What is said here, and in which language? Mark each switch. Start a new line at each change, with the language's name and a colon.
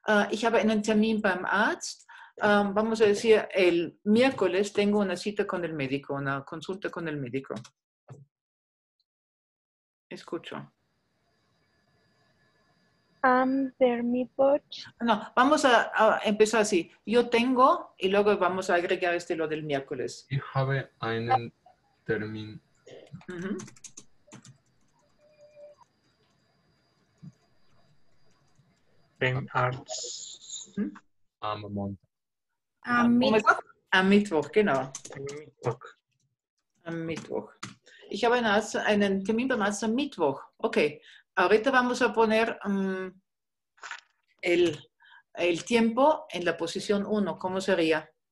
German: Ich habe einen Termin beim Arzt.
Spanish: Vamos a decir, el miércoles tengo una cita con el médico, una consulta con el médico. Escucho. No, vamos a empezar así. Yo tengo y luego vamos a agregar lo del miércoles.
German: Ich habe einen Termin. Beim Arzt. Am Montag. Am Mittwoch. Am Mittwoch, genau. Am Mittwoch. Ich habe einen Termin beim Arzt am Mittwoch. Okay.
Spanish: Ahorita vamos a poner el tiempo en la posición 1, ¿cómo sería?